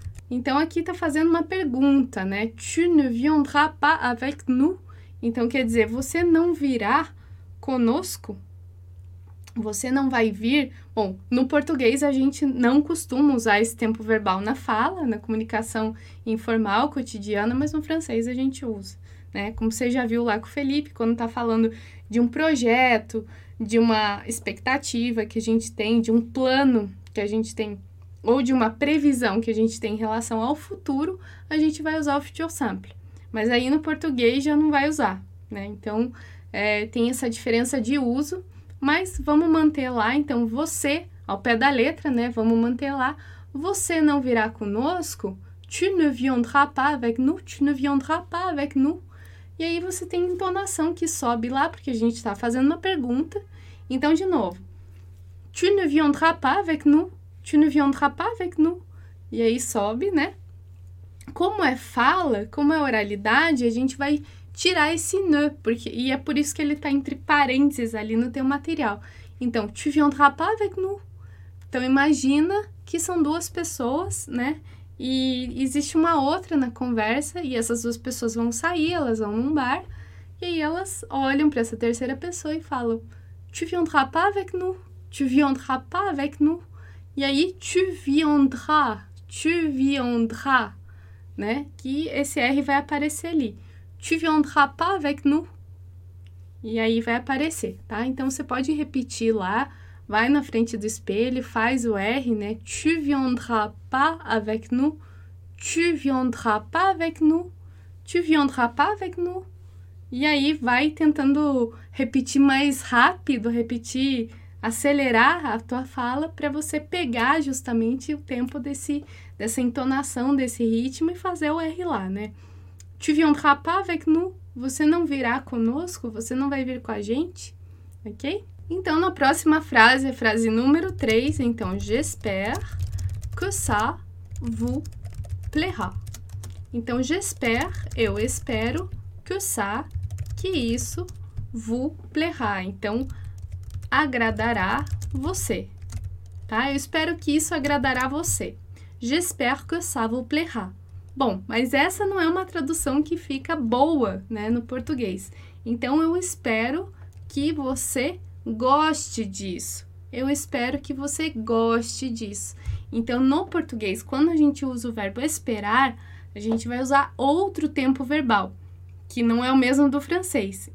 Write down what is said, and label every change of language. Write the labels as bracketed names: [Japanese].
[Portuguese] Então, aqui tá fazendo uma pergunta, né? [French] Tu ne viendras pas avec nous. [Portuguese] Então, quer dizer, você não virá conosco? Você não vai vir? Bom, no português a gente não costuma usar esse tempo verbal na fala, na comunicação informal, cotidiana, mas no francês a gente usa, né? Como você já viu lá com o Felipe, quando está falando de um projeto, de uma expectativa que a gente tem, de um plano que a gente tem, ou de uma previsão que a gente tem em relação ao futuro, a gente vai usar o futur simple. Mas aí no português já não vai usar, né? Então, tem essa diferença de uso, mas vamos manter lá, então, você, ao pé da letra, né? Vamos manter lá, você não virá conosco, [French] tu ne viendras pas avec nous, tu ne viendras pas avec nous. [Portuguese] E aí você tem entonação que sobe lá, porque a gente está fazendo uma pergunta. Então, de novo. [French] Tu ne viendras pas avec nous? Tu ne viendras pas avec nous? [Portuguese] E aí sobe, né? Como é fala, como é oralidade, a gente vai tirar esse ne, porque, e é por isso que ele está entre parênteses ali no teu material. [French] Então, tu viendras pas avec nous? [Portuguese] Então, imagina que são duas pessoas, né? E existe uma outra na conversa, e essas duas pessoas vão sair, elas vão num bar, e aí elas olham para essa terceira pessoa e falam: [French] Tu viendras pas avec nous? Tu viendras pas avec nous? [Portuguese] E aí, [French] tu viendras, né? [Portuguese] Que esse R vai aparecer ali. [French] Tu viendras pas avec nous? [Portuguese] E aí vai aparecer, tá? Então você pode repetir lá, vai na frente do espelho, faz o R, né? [French] Tu viendras pas avec nous? Tu viendras pas avec nous? Tu viendras pas avec nous? [Portuguese] E aí vai tentando repetir mais rápido, repetir, acelerar a tua fala para você pegar justamente o tempo dessa entonação, desse ritmo e fazer o R lá, né? [French] Tu viendras pas avec nous? [Portuguese] Você não virá conosco? Você não vai vir com a gente? Ok? Então, na próxima frase, é frase número 3. [French] Então, j'espère que ça vous plaira. [Portuguese] Então, j'espère, eu espero [French] que ça, [Portuguese] que isso [French] vous plaira. [Portuguese] Então, agradará você. Tá? Eu espero que isso agradará você. [French] J'espère que ça vous plaira. [Portuguese] Bom, mas essa não é uma tradução que fica boa, né, no português. Então, eu espero que você goste disso. Eu espero que você goste disso. Então, no português, quando a gente usa o verbo esperar, a gente vai usar outro tempo verbal, que não é o mesmo do francês.